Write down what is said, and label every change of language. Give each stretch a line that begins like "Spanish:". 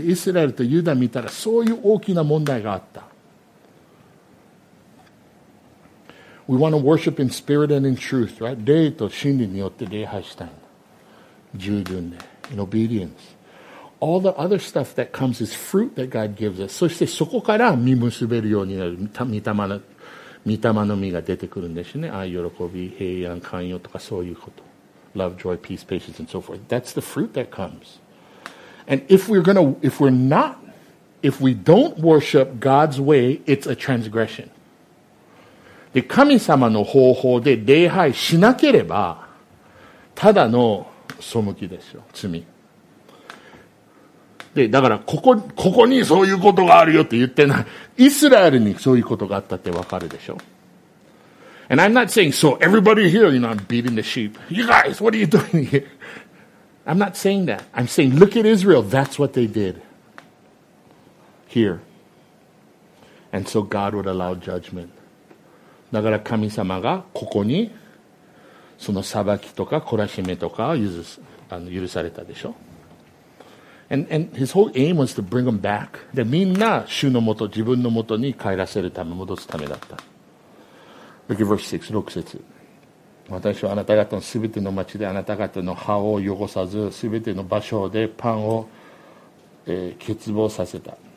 Japanese: イスラエルとユダ見たらそういう大きな問題があった。
English: We want to worship in spirit and in truth, right?
Japanese: 霊と真理によって礼拝したい。従順で、
English: in obedience. All the other stuff that comes is fruit that God gives us.
Japanese: そしてそこから実結べるようになる。御霊の実が出てくるんですね。愛、喜び、平安、寛容とかそういうこと。
English: Love, joy, peace, patience, and so forth. That's the fruit that comes. And if we don't worship God's way, it's a transgression.
Japanese: で、神様の方法で礼拝しなければ、ただの背きですよ。罪。でだからここにそういうことがあるよって言ってない。イスラエルにそういうことがあったってわかるでしょ。
English: And I'm not saying, so everybody here, you know, I'm beating the sheep. You guys, what are you doing here? I'm not saying that. I'm saying, look at Israel. That's what they did here. And so God would allow judgment.
Japanese: だから神様がここにその裁きとか懲らしめとかを許されたでしょ。
English: And his whole aim was to bring them back.
Japanese: で、みんな主のもと、自分のもとに帰らせるため、戻すためだった。
English: Look at verse 6, 6節。
Japanese: 私はあなた方のすべての町であなた方の歯を汚さず、すべての場所でパンを、欠乏させた。